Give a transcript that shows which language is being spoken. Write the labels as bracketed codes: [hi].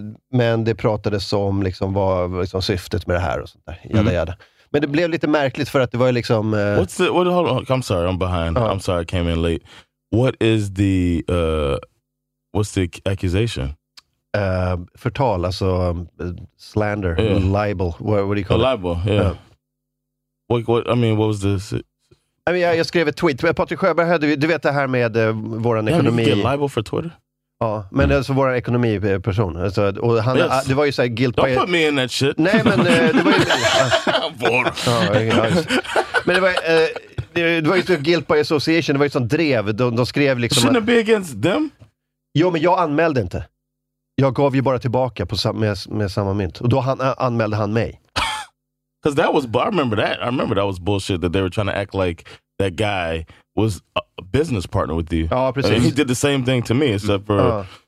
[sv] Men det pratades om liksom vad liksom syftet med det här och sånt där. Jada, jada. Men det blev lite märkligt för att det var ju liksom [en] I'm sorry, I'm behind. Uh-huh. I'm sorry I came in late. What is the what's the accusation? [sv] Förtal, alltså [en] slander, yeah. Libel. What do you call it? Libel, yeah. What was this? I mean, [sv] jag skrev ett tweet med Patrik Sjöberg, du vet det här med våran ekonomi. [en] Yeah, you get libel for Twitter. [sv] Ja, men det är alltså vår ekonomiperson. Alltså, och han, yes. Det var ju såhär guilt [en] by... Don't put me in that shit. [sv] Nej, men det var ju... Men det var ju så [en] guilt by association. [sv] Det var ju sån drev. De skrev liksom... [en] Shouldn't it be against them? [sv] Jo, men jag anmälde inte. Jag gav ju bara tillbaka med samma mynt. Och då anmälde han mig. [en] Because that was... I remember that was bullshit that they were trying to act like that guy... was a business partner with you. [sv] Ja, precis. [en] And he did the same thing to me, except for...